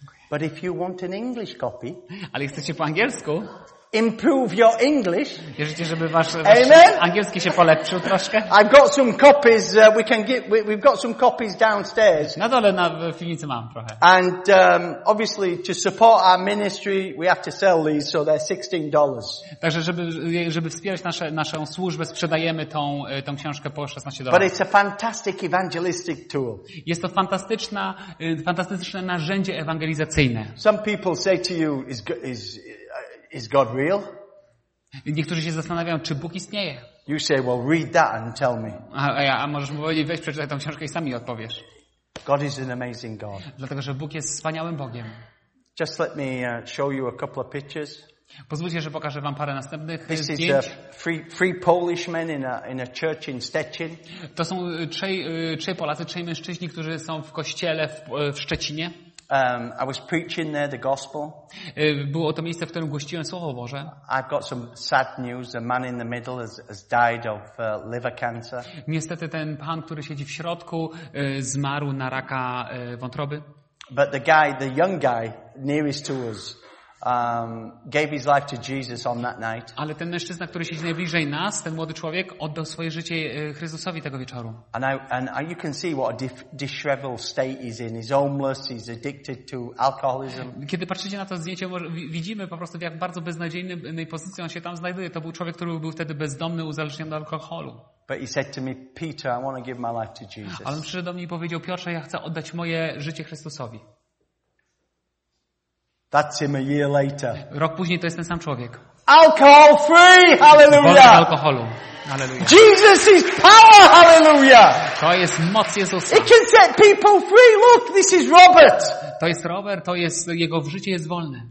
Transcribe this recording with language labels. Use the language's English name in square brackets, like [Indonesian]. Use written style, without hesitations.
[English] But if you want an English copy, [Polish] ale chcecie po angielsku, [English] improve your English. [Polish] Jeżeli żeby wasz angielski się polepszył troszkę. [English] I've got some copies we can get. We've got some copies downstairs. [Polish] Na dole na filnicy mam trochę. [English] And obviously to support our ministry, we have to sell these, so they're $16. [Polish] Także żeby wspierać naszą służbę, sprzedajemy tą książkę po $16. [English] But it's a fantastic evangelistic tool. [Polish] Jest to fantastyczne narzędzie ewangelizacyjne. [English] Some people say to you is God real? [Polish] Niektórzy się zastanawiają, czy Bóg istnieje. [English] You say, well, read that and tell me. [Polish] A możesz mu powiedzieć, weź przeczytaj tą książkę i sam mi odpowiesz. [English] God is an amazing God. [Polish] Dlatego, że Bóg jest wspaniałym Bogiem. [English] Just let me show you a couple of pictures. [Polish] Pozwólcie, że pokażę wam parę następnych zdjęć. [English] This is three Polish men in a church in Szczecin. [Polish] To są trzej Polacy, trzej mężczyźni, którzy są w kościele w Szczecinie. [English] I was preaching there the gospel. [Polish] Było to miejsce, w którym głosiłem słowo Boże. [English] I've got some sad news. A man in the middle has died of liver cancer. [Polish] Niestety ten pan, który siedzi w środku, zmarł na raka wątroby. [English] But the guy, the young guy nearest to us, gave his life to Jesus on that night. [Polish] Ale ten mężczyzna, który siedzi najbliżej nas, ten młody człowiek, oddał swoje życie Chrystusowi tego wieczoru. [English] And you can see what a disheveled state he's in. He's homeless, he's addicted to alcoholism. [Polish] Kiedy patrzycie na to zdjęcie, widzimy po prostu, w jak bardzo beznadziejnej pozycji on się tam znajduje. To był człowiek, który był wtedy bezdomny, uzależniony od alkoholu. [English] But he said to me, Peter, I want to give my life to Jesus. [Polish] Ale on przyszedł do mnie i powiedział, Piotrze, ja chcę oddać moje życie Chrystusowi. [English] That's him a year later. [Polish] Rok później to jest ten sam człowiek. [English] Alcohol free, hallelujah. [Polish] Wolny alkoholu, hallelujah. [English] Jesus is power, hallelujah. [Polish] To jest moc Jezusa. [English] It can set people free. Look, this is Robert. [Polish] To jest Robert, to jest jego życie jest wolne.